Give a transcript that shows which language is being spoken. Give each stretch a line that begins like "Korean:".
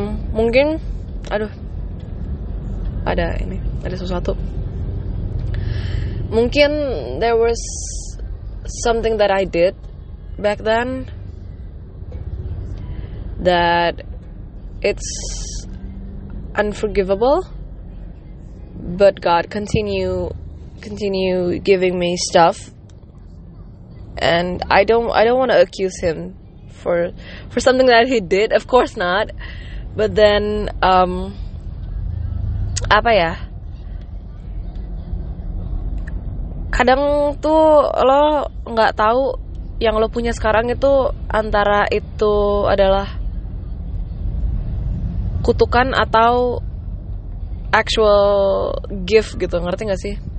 Indonesian: Mungkin, aduh, ada ini, ada sesuatu.
English: Mungkin there was something that I did back then that it's unforgivable, but God continue giving me stuff, and I don't want to accuse him for something that he did, of course not.
Indonesian: But then apa ya, kadang tuh lo nggak tahu yang lo punya sekarang itu antara itu adalah kutukan atau actual gift gitu, ngerti nggak sih?